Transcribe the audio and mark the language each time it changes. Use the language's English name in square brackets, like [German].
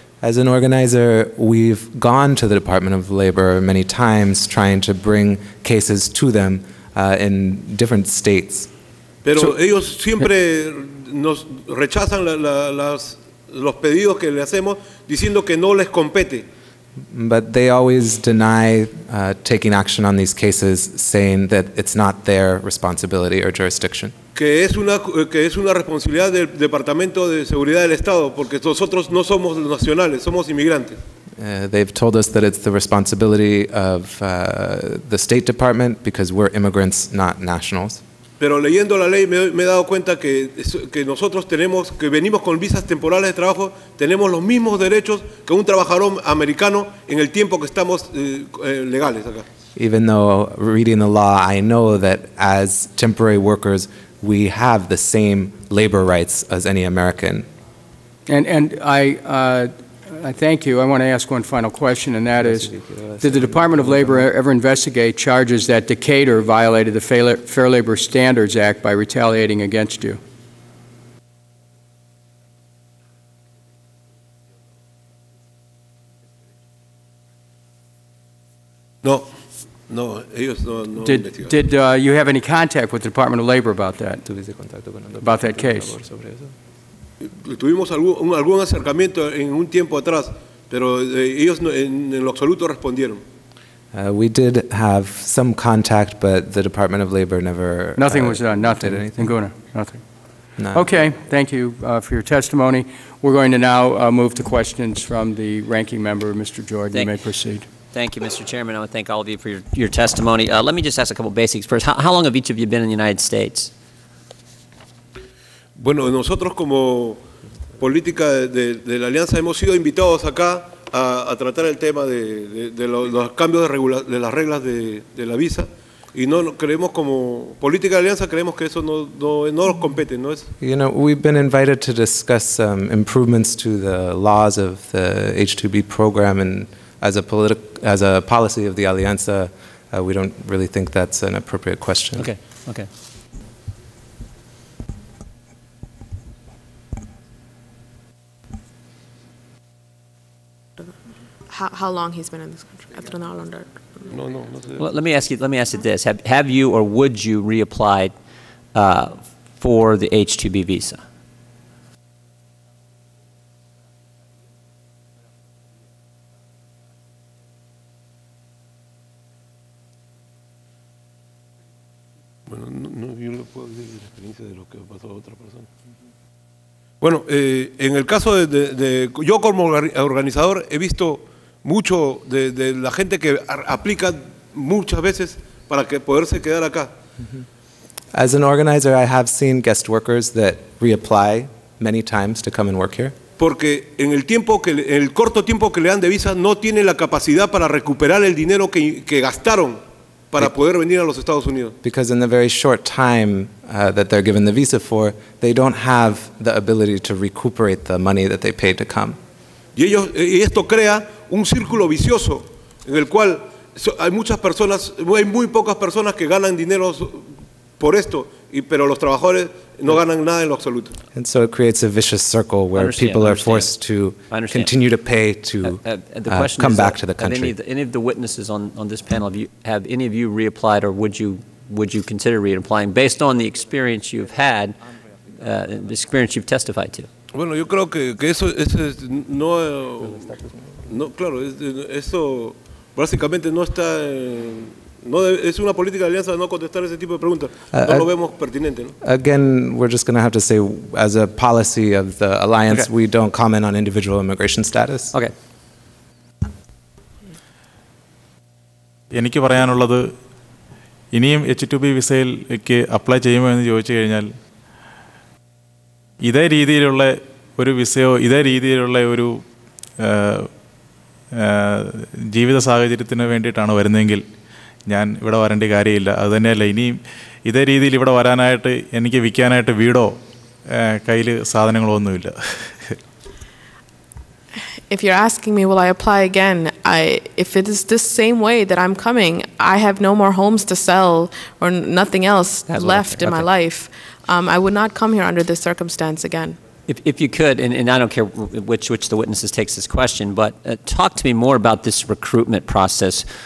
[English] As an organizer, we've gone to the Department of Labor many times trying to bring cases to them in different states. [Spanish] Pero so, ellos siempre nos rechazan los pedidos que le hacemos diciendo que no les compete. [English] But they always deny taking action on these cases, saying that it's not their responsibility or jurisdiction. [Spanish] Que es una responsabilidad del Departamento de Seguridad del Estado, porque nosotros no somos nacionales, somos inmigrantes. [English] They've told us that it's the responsibility of the State Department, because we're immigrants, not nationals. [Spanish] Pero leyendo la ley me he dado cuenta que nosotros tenemos, que venimos con visas temporales de trabajo, tenemos los mismos derechos que un trabajador americano en el tiempo que estamos legales acá. [English] Even though reading the law, I know that as temporary workers, we have the same labor rights as any American. And I thank you. I want to ask one final question, and that is, did the Department of Labor ever investigate charges that Decatur violated the Fair Labor Standards Act by retaliating against you? [Spanish] No. No, ellos no, no [English] Did you have any contact with the Department of Labor about that? About that case? [Spanish] Tuvimos algún acercamiento en un tiempo atrás, pero ellos en lo absoluto respondieron. [English] We did have some contact, but the Department of Labor never Nothing was done. Nothing. Anything. Nothing. No. Okay. Thank you for your testimony. We're going to now move to questions from the ranking member, Mr. Jordan. You may proceed. Thank you, Mr. Chairman. I want to thank all of you for your testimony. Let me just ask a couple basics first. How long have each of you been in the United States? [Spanish] Bueno, nosotros como política de la alianza hemos sido invitados acá a tratar el tema de los cambios de las reglas de la visa. Y no creemos como política de alianza creemos que eso no nos compete, no es. [English] You know, we've been invited to discuss some improvements to the laws of the H2B program, and as a policy of the alianza, we don't really think that's an appropriate question. Okay. How long he's been in this country? After now, under. No. Let me ask you this. Have you or would you reapply for the H-2B visa? [Spanish] Bueno, no yo le puedo decir la experiencia de lo que pasó a otra persona. Bueno, en el caso de yo como organizador he visto mucho de la gente que aplica muchas veces para que poderse quedar acá. [English] As an organizer, I have seen guest workers that reapply many times to come and work here. [Spanish] Porque en el tiempo que en el corto tiempo que le dan de visa no tiene la capacidad para recuperar el dinero que gastaron para poder venir a los Estados Unidos. [English] Because in the very short time that they're given the visa for, they don't have the ability to recuperate the money that they paid to come. [Spanish] Y esto crea un círculo vicioso en el cual hay muchas personas, hay muy pocas personas que ganan dinero por esto, pero los trabajadores no ganan nada en lo absoluto. [English] And so it creates a vicious circle where people are forced to continue to pay to come back to the country. Have any of the witnesses on this panel, have any of you reapplied or would you consider reapplying based on the experience you've had, the experience you've testified to? [Spanish] Bueno, yo creo que eso es, no, no, claro, eso básicamente no está, no es una política de alianza no contestar ese tipo de preguntas. No lo vemos pertinente, ¿no? [English] Again, we're just going to have to say, as a policy of the alliance, okay. We don't comment on individual immigration status. Okay. [Malayalam] എനിക്ക് പറയാനുള്ളത് ഇനിയും H2B വിസയിലേക്ക് apply ചെയ്യുമോ എന്ന് ചോദിച്ചു കഴിഞ്ഞാൽ ഇതേ രീതിയിലുള്ള ഒരു വിസയോ ഇതേ രീതിയിലുള്ള ഒരു ജീവിത സാഹചര്യത്തിന് വേണ്ടിയിട്ടാണ് വരുന്നതെങ്കിൽ ഞാൻ ഇവിടെ വരേണ്ട കാര്യമില്ല. അതുതന്നെയല്ല, ഇനിയും ഇതേ രീതിയിൽ ഇവിടെ വരാനായിട്ട് എനിക്ക് വിൽക്കാനായിട്ട് വീടോ കയ്യിൽ സാധനങ്ങളോ ഒന്നുമില്ല. [English] If you're asking me, will I apply again? If it is this same way that I'm coming, I have no more homes to sell or nothing else That's left in my life. I would not come here under this circumstance again. If you could, and I don't care which the witnesses takes this question, but talk to me more about this recruitment process.